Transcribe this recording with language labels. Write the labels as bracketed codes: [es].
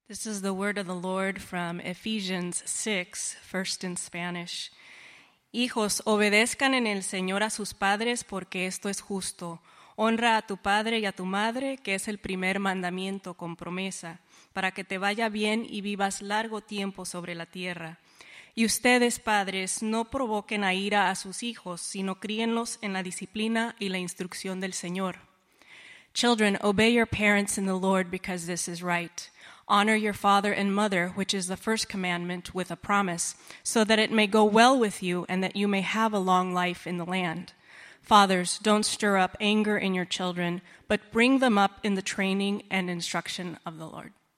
[en] This is the word of the Lord from Ephesians 6, first in Spanish. [es] Hijos, obedezcan en el Señor a sus padres porque esto es justo. Honra a tu padre y a tu madre, que es el primer mandamiento con promesa, para que te vaya bien y vivas largo tiempo sobre la tierra. Y ustedes, padres, no provoquen a ira a sus hijos, sino críenlos en la disciplina y la instrucción del Señor. [en] Children, obey your parents in the Lord because this is right. Honor your father and mother, which is the first commandment, with a promise, so that it may go well with you and that you may have a long life in the land. Fathers, don't stir up anger in your children, but bring them up in the training and instruction of the Lord.